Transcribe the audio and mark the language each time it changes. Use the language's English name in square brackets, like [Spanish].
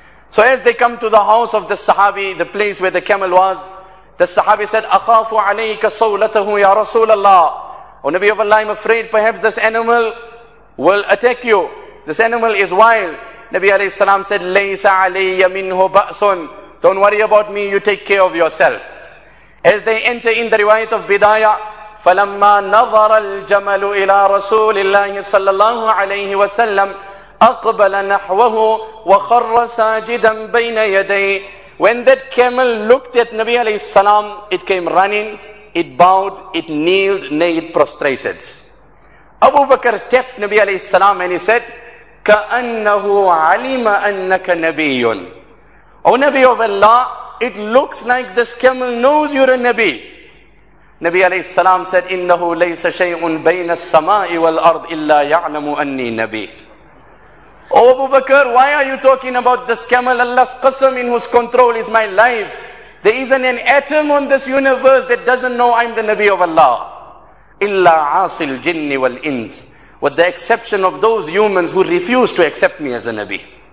[English] So as they come to the house of the sahabi, the place where the camel was, the sahabi said, [Arabic] أَخَافُ عَلَيْكَ صَوْلَتَهُ يَا رَسُولَ اللَّهِ. [English] O Nabi of Allah, I'm afraid perhaps this animal will attack you. This animal is wild. Nabi alayhi salam said, [Arabic] لَيْسَ عَلَيَّ مِنْهُ بَأْسٌ. [English] Don't worry about me, you take care of yourself. As they enter in the riwayat of bidayah, [Arabic] فَلَمَّا نَظَرَ الْجَمَلُ إِلَىٰ رَسُولِ اللَّهِ صَلَّى اللَّهُ عَلَيْهِ وَسَلَّمْ أَقْبَلَ نَحْوَهُ وَخَرَّ سَاجِدًا بَيْنَ يَدَيْهِ. [English] When that camel looked at Nabi alayhi salam, it came running, it bowed, it kneeled, nay, it prostrated. Abu Bakr tapped Nabi alayhi salam and he said, [Arabic] كَأَنَّهُ عَلِمَ أَنَّكَ نَبِيٌ. [English] O Nabi of Allah, it looks like this camel knows you're a Nabi. Nabi alayhi salam said, [Arabic] إِنَّهُ لَيْسَ شَيْءٌ بَيْنَ السَّمَاءِ وَالْأَرْضِ إِلَّا يَعْلَمُ أَنِّي نَبِيٌ. [English] O Abu Bakr, why are you talking about this camel? Allah's Qasam, in whose control is my life. There isn't an atom on this universe that doesn't know I'm the Nabi of Allah. [Arabic] إِلَّا عَاصِ الْجِنِّ وَالْإِنسِ. [English] With the exception of those humans who refuse to accept me as a Nabi.